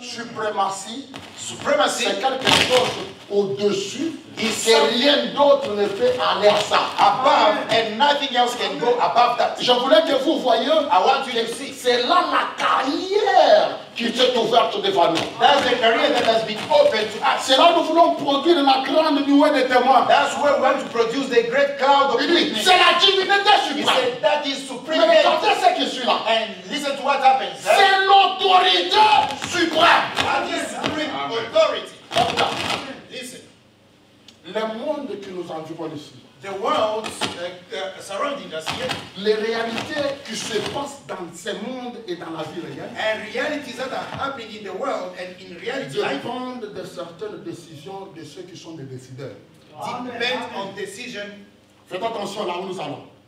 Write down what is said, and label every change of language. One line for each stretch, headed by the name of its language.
French: Suprématie.
English: Supremacy.
French: C'est quelque chose au-dessus. Il sait rien d'autre ne peut aller ça.
English: Above and nothing else can go above that.
French: Je voulais que vous voyiez.
English: I want you to see.
French: C'est là ma carrière qui s'est ouverte devant nous.
English: That's the career that has been opened to us.
French: C'est là nous voulons produire la grande nuée de témoins.
English: That's where we want to produce the great cloud of
French: witnesses. C'est la divinité suprême.
English: He said that is supreme.
French: Mais regardez ce que je suis là.
English: And listen to what happens.
French: Eh? C'est l'autorité suprême.
English: That is supreme authority.
French: Le monde qui nous entoure ici.
English: The world surrounding us here.
French: Les réalités qui se passent dans ce monde et dans la vie réelle.
English: And realities that are happening in the world and in reality.
French: Dépend de certaines décisions de ceux qui sont des décideurs.
English: Depend on decision.
French: Faites attention là où nous allons.